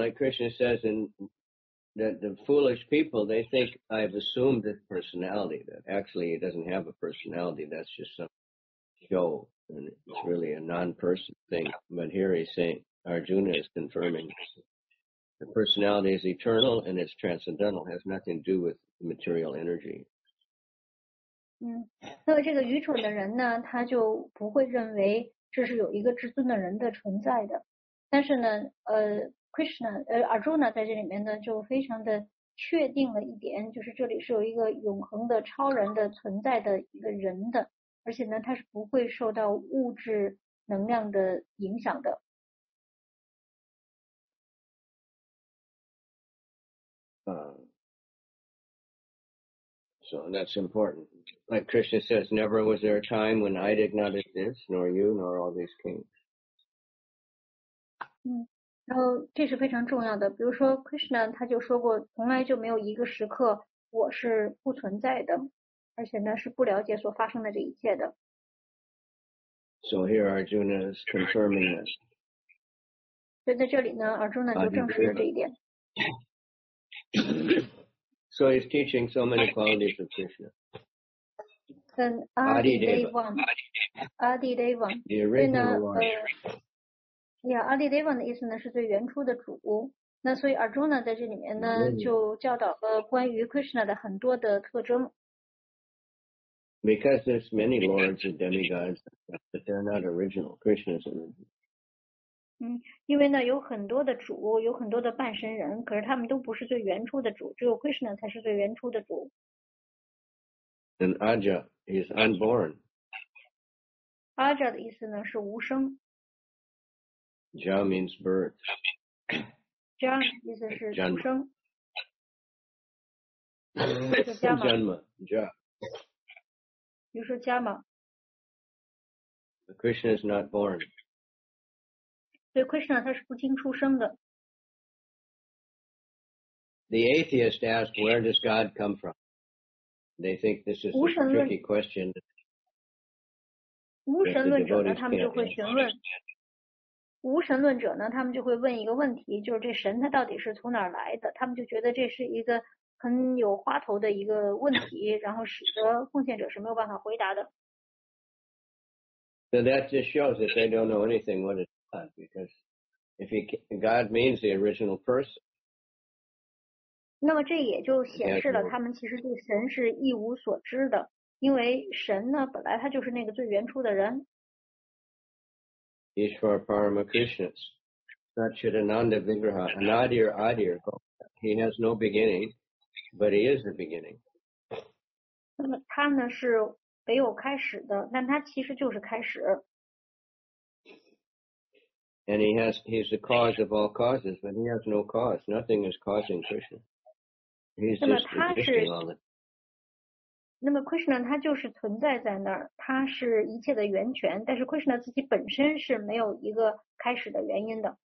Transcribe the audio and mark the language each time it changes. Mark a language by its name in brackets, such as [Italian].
[English] Like Krishna says, in that the foolish people, they think I've assumed this personality. That actually it doesn't have a personality. That's just some show, and it's really a non-person thing. But here he's saying Arjuna is confirming the personality is eternal and it's transcendental. Has nothing to do with material energy. [Chinese] 嗯，那么这个愚蠢的人呢，他就不会认为这是有一个至尊的人的存在的。但是呢，Krishna， Arjuna 在这里面呢，就非常的确定了一点，就是这里是有一个永恒的超人的存在的一个人的，而且呢，他是不会受到物质能量的影响的。 [English] So that's important. Like Krishna says, never was there a time when I did not exist, nor you, nor all these kings. [Chinese] 嗯，然后这是非常重要的。比如说 Krishna 他就说过，从来就没有一个时刻我是不存在的，而且呢是不了解所发生的这一切的。 [English] So here Arjuna is confirming this. [Chinese] 所以在这里呢 ，Arjuna 就证实了这一点。 [English] So he's teaching so many qualities of Krishna. Then Adi Deva. The original one. [Chinese] Yeah, Adi Deva 的意思呢是最原初的主。那所以 Arjuna 在这里面呢就教导了关于 Krishna 的很多的特征。 [English] Because there's many lords and demigods, but they're not original. Krishna's original. [Chinese] 嗯，因为呢有很多的主，有很多的半身人，可是他们都不是最原初的主，只有 Krishna 才是最原初的主。 [English] And Aja is unborn. [Chinese] Aja 的意思呢是无生。 [English] Ja means birth. [Chinese] Ja 意思是出生。 [English] Janma. You say Janma. Krishna is not born. [Chinese] So Krishna 他是不经出生的。 [English] The atheist asked, where does God come from? They think this is a tricky question. [Chinese] 无神论者呢，他们就会询问。无神论者呢，他们就会问一个问题，就是这神他到底是从哪儿来的？他们就觉得这是一个很有花头的一个问题，然后使得奉献者是没有办法回答的。 [English] So that just shows that they don't know anything what it's about, because if God means the original person. [Chinese] 那么这也就显示了他们其实对神是一无所知的，因为神呢本来他就是那个最原初的人。 [Sanskrit] Ishvara Parama Krishna, Satchitananda Vigraha, Anadir Adir, [English] he has no beginning, but he is the beginning. [Chinese] 那么他呢是没有开始的，但他其实就是开始。 [English] And he's the cause of all causes, but he has no cause. Nothing is causing Krishna. He's just existing all the [Chinese] 那么 Krishna 他就是存在在那儿，他是一切的源泉，但是 Krishna 自己本身是没有一个开始的原因的。